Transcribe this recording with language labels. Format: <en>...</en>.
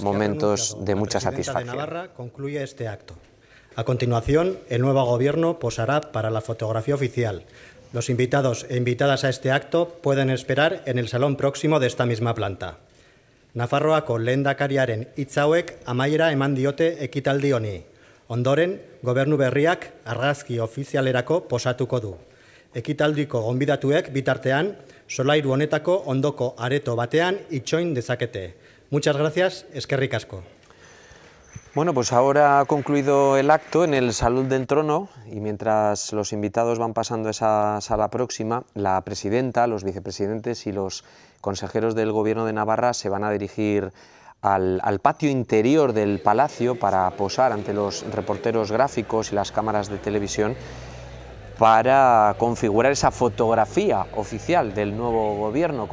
<es>momentos de mucha satisfacción. La presidenta de Navarra concluye este acto. A continuación, el nuevo Gobierno posará para la fotografía oficial. Los invitados e invitadas a este acto pueden esperar en el salón próximo de esta misma planta.</es> <eu>Nafarroako lehendakariaren hitz hauek amaiera eman diote ekitaldi honi. Ondoren, gobernu berriak argazki ofizialerako posatuko du. Ekitaldiko gonbidatuek bitartean, solairu honetako ondoko areto batean itxoin dezakete.</eu> <es>Muchas gracias,</es> <eu>eskerrik asko.</eu> <es>Bueno, pues ahora ha concluido el acto en el Salón del Trono y mientras los invitados van pasando a esa sala próxima, la presidenta, los vicepresidentes y los consejeros del Gobierno de Navarra se van a dirigir al patio interior del palacio para posar ante los reporteros gráficos y las cámaras de televisión para configurar esa fotografía oficial del nuevo Gobierno.</es>